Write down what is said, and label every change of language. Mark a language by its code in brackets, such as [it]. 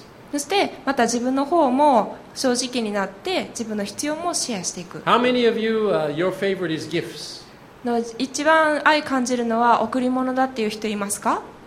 [ja] そしてまた自分の方も正直になって自分の必要もシェアしていく。 [en] How many of you, your favorite is gifts? [ja] の一番愛感じるのは贈り物だっていう人いますか？